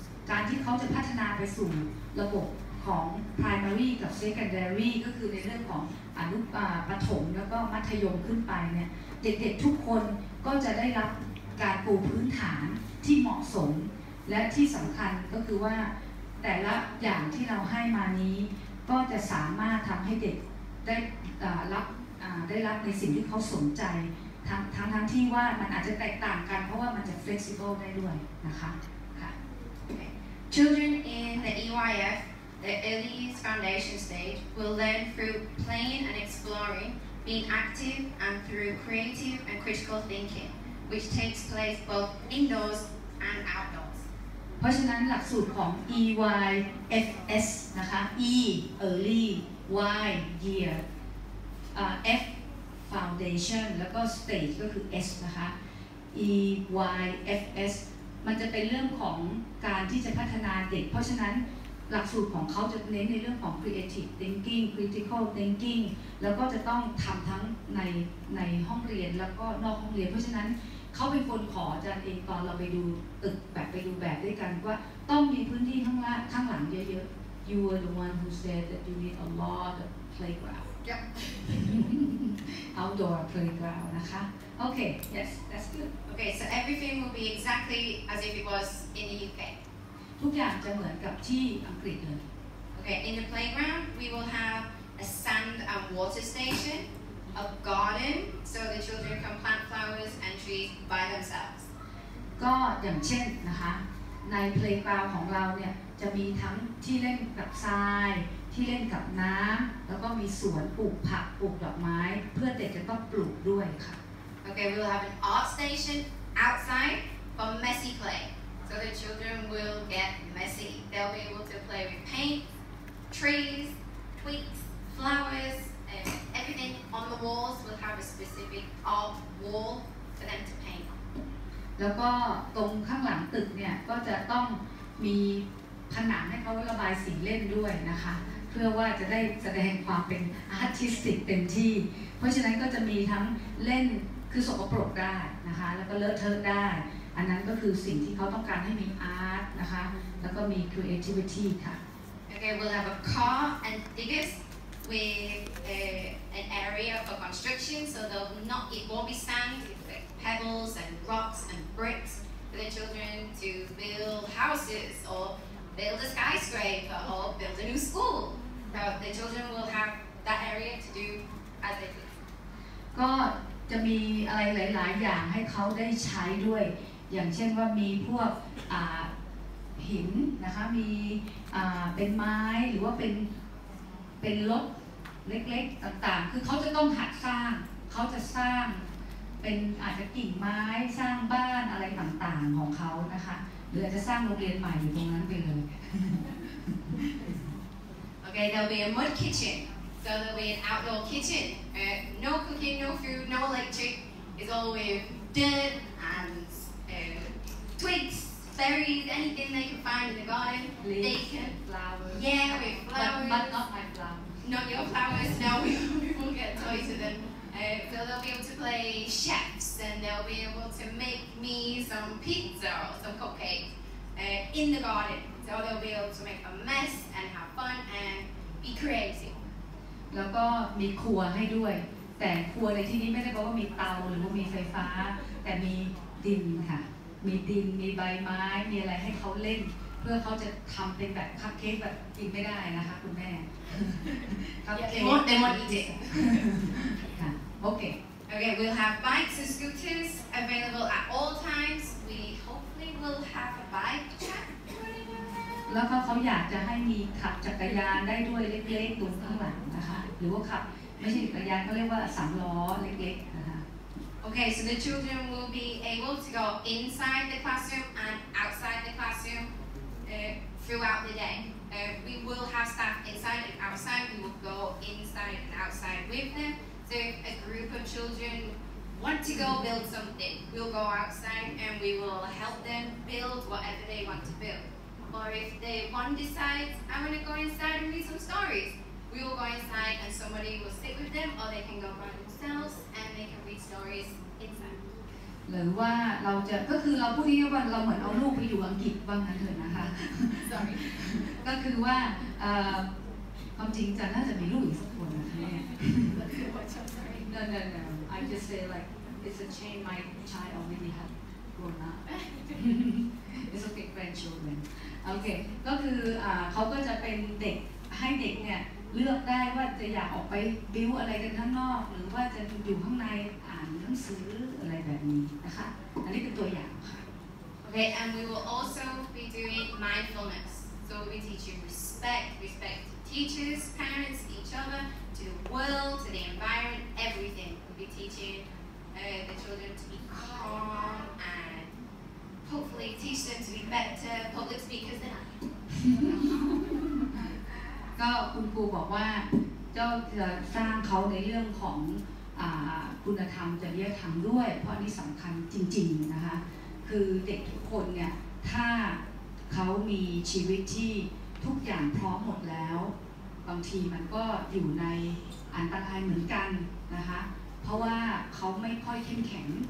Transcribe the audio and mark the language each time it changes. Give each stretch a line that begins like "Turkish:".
Thai: การที่เขาจะพัฒนาไปสู่ระบบของ primary กับ secondary ก็คือในเรื่องของอนุประถมแล้วก็มัธยมขึ้นไปเนี่ยเด็กๆทุกคนก็จะได้รับการปูพื้นฐานที่เหมาะสมและที่สำคัญก็คือว่าแต่ละอย่างที่เราให้มานี้ก็จะสามารถทำให้เด็กได้รับในสิ่งที่เขาสนใจทั้งที่ว่ามันอาจจะแตกต่างกันเพราะว่ามันจะ flexible ได้ด้วยนะคะค่ะ
English: Children in the EYF the early foundation stage will learn through playing and exploring being active and through creative and critical thinking which takes place both indoors and outdoors
Thai: เพราะฉะนั้นหลักสูตรของ EYFS นะคะ E early Y yearF foundation แล้วก็ stage ก็คือ S นะคะ E Y F S มันจะเป็นเรื่องของการที่จะพัฒนาเด็กเพราะฉะนั้นหลักสูตรของเขาจะเน้นในเรื่องของ creative thinking critical thinking แล้วก็จะต้องทำทั้ง ในห้องเรียนแล้วก็นอกห้องเรียนเพราะฉะนั้นเขาเป็นคนขออาจารย์เองตอนเราไปดูตึกแบบไปดูแบบด้วยกันว่าต้องมีพื้นที่ข้างหลังเยอะๆ
English: You are the one who said that you need a lot of playground. Yep. Outdoor playground,
Thai: นะคะ
English: Okay, yes, that's good. Okay, so everything will be exactly as if it was in the UK.
Thai: ทุกอย่างจะเหมือนกับที่อังกฤษเลย
English: Okay, in the playground, we will have a sand and water station. a garden so the children can plant flowers and trees by themselves.
Thai: ก็อย่างเช่นนะคะในเพลย์กราวของเราเนี่ยจะมีทั้งที่เล่นกับทรายที่เล่นกับน้ำแล้วก็มีสวนปลูกผักปลูกดอกไม้เพื่อเด็กจะต้องปลูกด้วยค่ะ
English: Okay, we'll have an art station outside for messy play. So the children will get messy. They'll be able to play with paint, trees, twigs, flowers, and everything on the walls will have a specific art wall for them to paint on.
Thai: แล้วก็ตรงข้างหลังตึกเนี่ยก็จะต้องมีผนังให้เขาระบายสีเล่นด้วยนะคะเพื่อว่าจะได้แสดงความเป็นอาร์ติสติกเต็มที่เพราะฉะนั้นก็จะมีทั้งเล่นคือสกปรกได้นะคะแล้วก็เลอะเทอะได้อันนั้นก็คือสิ่งที่เขาต้องการให้มีอาร์ตนะคะแล้วก็มี creativity ค่ะ
English: Okay, we'll have a car and diggers with an area for construction so it won't be sand with pebbles and rocks and bricks for the children to build houses orBuild a skyscraper or build a new school. So the children will have that area to do as they please.
Thai: ก็จะมีอะไรหลายๆอย่างให้เขาได้ใช้ด้วยอย่างเช่นว่ามีพวกหินนะคะมีเป็นไม้หรือว่าเป็นรถเล็กๆต่างๆคือเขาจะต้องหัดสร้างเขาจะสร้างเป็นอาจจะกิ่งไม้สร้างบ้านอะไรต่างๆของเขานะคะเดี๋ยวจะสร้างโรงเรียนใหม่อยู่ตรงนั้นไปเลย
English: Okay, there'll be a mud kitchen. So there'll be an outdoor kitchen. No cooking, no food, no electric. It's all with dirt and twigs, berries, anything they can find in the garden. Leaves, flowers. Yeah, with flowers. But not my flowers. Not your flowers, no. We will get toys to them. So they'll be able to play chefs and they'll be able to make me some pizza or some cupcakes in the garden. So they'll be able to make a mess and have fun and be creative.
Thai: แล้วก็มีครัวให้ด้วยแต่ครัวในที่นี้ไม่ได้บอกว่ามีเตาหรือว่ามีไฟฟ้าแต่มีดินค่ะมีดินมีใบไม้มีอะไรให้เขาเล่นเพื่อเขาจะทำเป็นแบบคัพเค้กแบบกินไม่ได้นะคะคุณแม่คัพเค้กในวันอีเจ
English: Okay, we'll have bikes and scooters available at all times. We hopefully will have a bike track. แล้วก็เขาอยากจะให้มีขับจักรยานได้ด้วยเล็กๆตรงข้างหลังนะคะหรือว่าขับไม่ใช่จักรยานเขาเรียกว่าสามล้อเล็กๆนะคะ Okay, so the children will be able to go inside the classroom and outside the classroom throughout the day. We will have staff inside and outside. We will go inside and outside with them. So if a group of children want to go build something, we'll go outside and we will help them build whatever they want to build. Or if they one decides, I want to go inside and read some stories, we will go inside and somebody will sit with them or they can go by themselves and they can read stories inside.
Thai: หรือว่าเราจะก็คือเราพูดง่ายๆว่าเราเหมือนเอาลูกไปอยู่อังกฤษบ้างนั่นเถิดนะคะ
English: Sorry.
Thai: ก็คือว่าความจริงจะน่าจะมีลูกอีกสักคนนะแม่
English: No. I just say like it's a shame my child already have grown up. It's okay, grandchildren. Okay,
Thai: ก็คือเขาก็จะเป็นเด็กให้เด็กเนี่ยเลือกได้ว่าจะอยากออกไปบิ้วอะไรกันข้างนอกหรือว่าจะอยู่ข้างในอ่านหนังสืออะไรแบบนี้นะคะอันนี้เป็นตัวอย่างค่ะ
English: Okay, and we will also be doing mindfulness. So we teach you respect to teachers, parents, each other. To the world, to the environment, everything. We'll be teaching the children to be calm and hopefully teach them to be better public speakers than I.
Thai: ก็คุณครูบอกว่าเจ้าสร้างเขาในเรื่องของคุณธรรมจริยธรรมด้วยเพราะนี่สำคัญจริงๆนะคะคือเด็กทุกคนเนี่ยถ้าเขามีชีวิตที่ทุกอย่างพร้อมหมดแล้วบางทีมันก็อยู่ในอันตรายเหมือนกันนะคะเพราะว่าเขาไม่ค่อยเข้มแข็ง